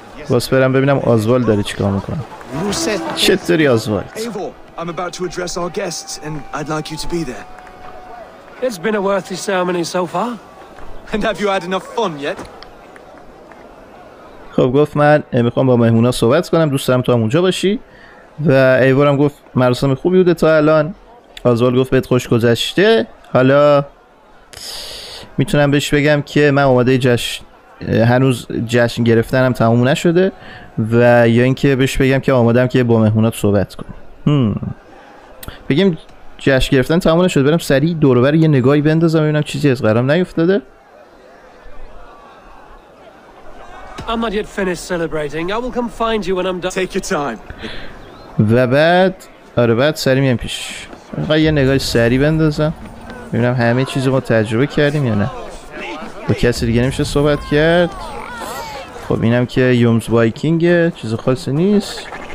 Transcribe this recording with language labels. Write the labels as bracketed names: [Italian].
[Persian] بس برم ببینم آزوالد داره چیکار میکنه. چطوری آزوالد؟ [English] Eivor, I'm about to address our guests and I'd like you to be there. It's been a worthy ceremony so far. And have you had enough fun yet? [Persian] خب گفت من میخوام با مهمونا صحبت کنم، دوست دارم تو هم اونجا باشی. و ایوارم گفت مراسم خوبی بوده تا الان. آزوالد گفت بهت خوش گذشته. حالا میتونم بهش بگم که من اومده جشن، هنوز جشن گرفتنم تموم نشده، و یا اینکه بهش بگم که اومدم که با مهمونات صحبت کنم. بگیم جشن گرفتن تموم نشده، برم سریع دور و بر یه نگاهی بندازم ببینم چیزی از قرارم نیفتاده. [English] I'm not yet finished celebrating. I will come find you when I'm done. Take your time. [Persian] و بعد آره بعد سریع میام پیش. آقا یه نگاه سریع بندازم ببینم همه چیز رو تجربه کردیم یا نه. با کسی دیگه نمیشه صحبت کرد. خب اینم که یومز وایکینگه، چیز خاصی نیست.